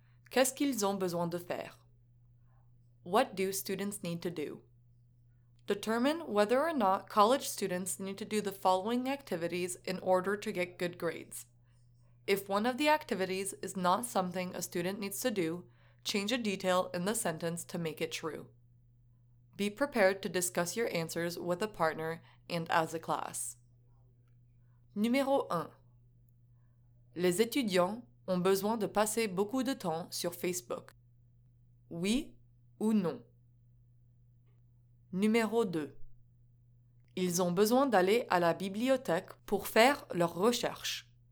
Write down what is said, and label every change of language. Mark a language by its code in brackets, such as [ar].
[fr] Qu'est-ce qu'ils ont besoin de faire? [en] What do students need to do? Determine whether or not college students need to do the following activities in order to get good grades. If one of the activities is not something a student needs to do, change a detail in the sentence to make it true. Be prepared to discuss your answers with a partner and as a class. [fr] Numéro 1. Les étudiants ont besoin de passer beaucoup de temps sur Facebook. Oui ou non? Numéro 2. Ils ont besoin d'aller à la bibliothèque pour faire leurs recherches.